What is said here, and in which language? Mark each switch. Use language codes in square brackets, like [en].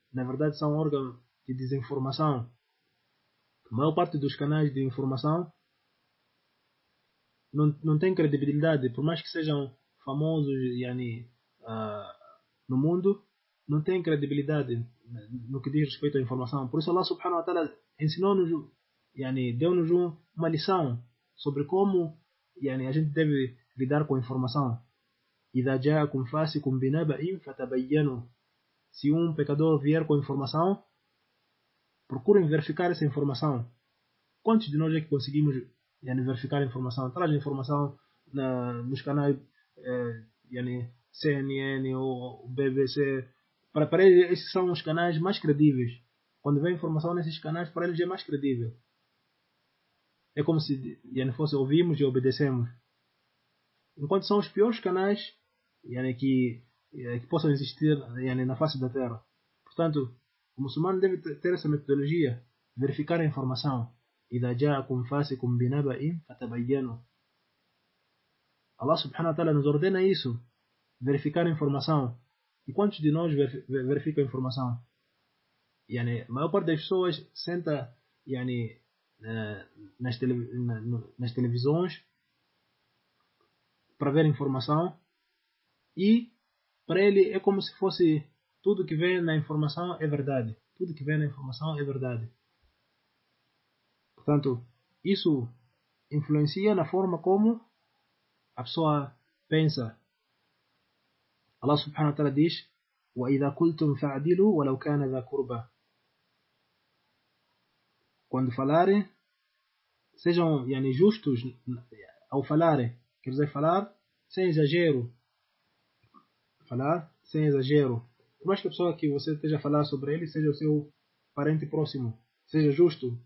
[pt] Na verdade, são órgãos de desinformação. A maior parte dos canais de informação não tem credibilidade, por mais que sejam famosos, yani, no mundo, não tem credibilidade no que diz respeito à informação. Por isso Allah subhanahu wa ta'ala ensinou-nos, yani, deu-nos uma lição sobre como, yani, a gente deve lidar com a informação. [ar] إذا جاءكم فاسق بنبأ فتبينوا. [pt] Se um pecador vier com informação, procurem verificar essa informação. Quantos de nós é que conseguimos, yani, verificar a informação? Traz a informação nos canais, yani, CNN ou BBC. Para eles, esses são os canais mais credíveis. Quando vem informação nesses canais, para eles é mais credível. É como se, yani, fosse ouvimos e obedecemos. Enquanto são os piores canais, yani, que possam existir, yani, na face da Terra. Portanto, o muçulmano deve ter essa metodologia, verificar a informação. [ar] إذا جاءكم فاسق بنبأ فتبينوا. [pt] Allah subhanahu wa ta'ala nos ordena isso, verificar a informação. E quantos de nós verificam a informação? Yani, a maior parte das pessoas senta, yani, nas televisões para ver informação, e para ele é como se fosse tudo que vem na informação é verdade. Tudo que vem na informação é verdade. Portanto, isso influencia na forma como a pessoa pensa. [ar] Allah subhanahu wa ta'ala diz: وَإِذَا كُلْتُمْ فَعْدِلُوا وَلَوْ كَانَ ذَا قُرْبَى. [pt] Quando falarem, sejam, yani, justos ao falarem. Quer dizer, falar sem exagero. Falar sem exagero. Por mais que a pessoa que você esteja a falar sobre ele seja o seu parente próximo, seja justo.